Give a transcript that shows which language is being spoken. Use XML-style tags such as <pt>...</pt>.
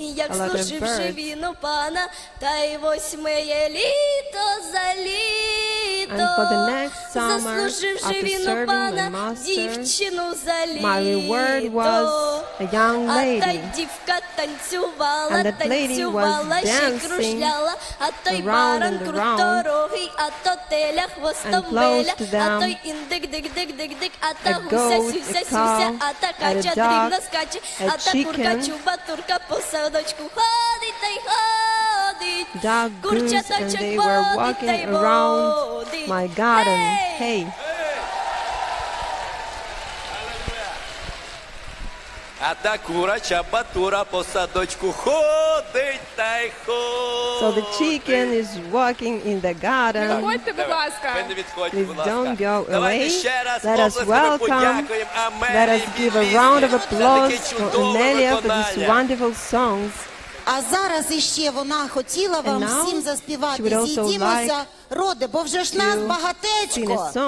<uk>як служив живіну пана, та й восьме літо за літо.</uk> <en>And for the next summer,</en> <uk>заслужив живіну пана, дівчину за літо.</uk> <en>My reward was a young lady.</en> <uk>А та дівка танцювала, танцювала, ще кружляла. А той баран круторогий, а то теля хвостом виля. А той індик-дик-дик-дик-дик, а та гуся сюся-сюся, а та кача дрібно скаче, a а та курка чуба-турка по садочку ходить та й ходить.</uk> <en>Duck,</en> <uk>курчаточок водить та й водить.</uk> <en>My garden. Hey.</en> <uk>А та кура чабатура по садочку ходить та й ходить.</uk> <en>So the chicken is walking in the garden.</en> <uk>Не відходьте, будь ласка.</uk> <en>Please don't go away. Let us welcome. Let us give a round of applause for Amelia for these wonderful songs.</en> <uk>А зараз іще вона хотіла вам всім заспівати. Зійдімося, роди, бо вже ж нас багатечко.</uk>